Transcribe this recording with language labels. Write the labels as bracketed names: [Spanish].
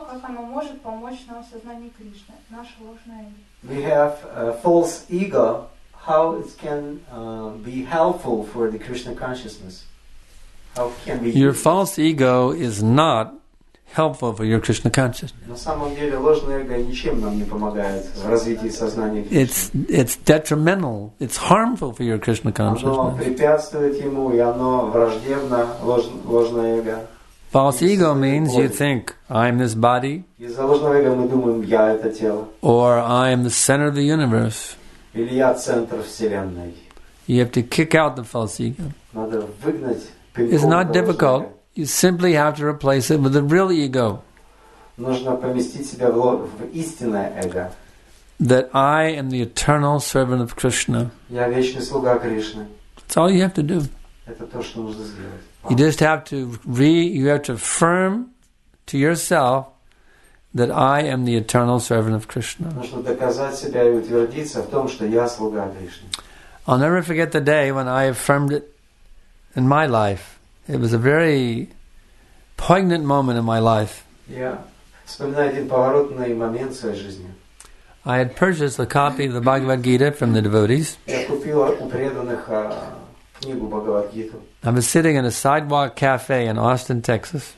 [Russian] Как оно может помочь нам в сознании Кришны? Наше ложное эго. [English] We have a false ego. How it can be helpful for the Krishna consciousness? How can we? Your false ego is not helpful for your Krishna consciousness. [Russian] На самом деле ложное эго ничем нам не помогает в развитии сознания Кришны. [English] It's detrimental. It's harmful for your Krishna consciousness. [Russian] Оно препятствует ему, и оно враждебно, ложное эго. [English] False ego means you think, I'm this body. [Russian] Из-за ложного эго мы думаем, я это тело. [English] Or I'm the center of the universe. [Russian] Или я центр вселенной. [English] You have to kick out the false ego. [Russian] Надо выгнать пинком. [English] It's not difficult. You simply have to replace it with the real ego. [Russian] Нужно поместить себя в истинное эго. [English] That I am the eternal servant of Krishna. [Russian] Я вечный слуга Кришны. [English] That's all you have to do. [Russian] Это то, что нужно сделать. [English] You just have to you have to affirm to yourself that I am the eternal servant of Krishna. [Russian] Нужно доказать себя и утвердиться в том, что я слуга Кришны. [English] I'll never forget the day when I affirmed it in my life. It was a very poignant moment in my life. Yeah. I had purchased a copy of the Bhagavad Gita from the devotees. I was sitting in a sidewalk cafe in Austin, Texas.